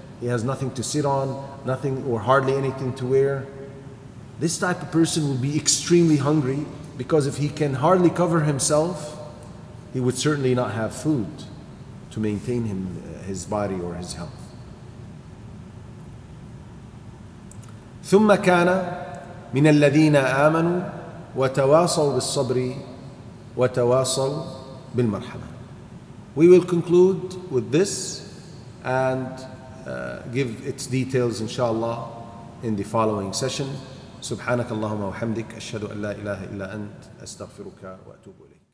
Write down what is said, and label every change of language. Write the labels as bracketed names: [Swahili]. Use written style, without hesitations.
[English] He has nothing to sit on, nothing or hardly anything to wear. This type of person will be extremely hungry, because if he can hardly cover himself, he would certainly not have food to maintain him, his body or his health. [Arabic] ثم كان من الذين آمنوا وتواصوا بالصبر وتواصوا بالمرحمة. [English] We will conclude with this and give its details inshallah in the following session. [Arabic] سبحانك اللهم وحمدك أشهد أن لا إله إلا أنت أستغفرك وأتوب إليك.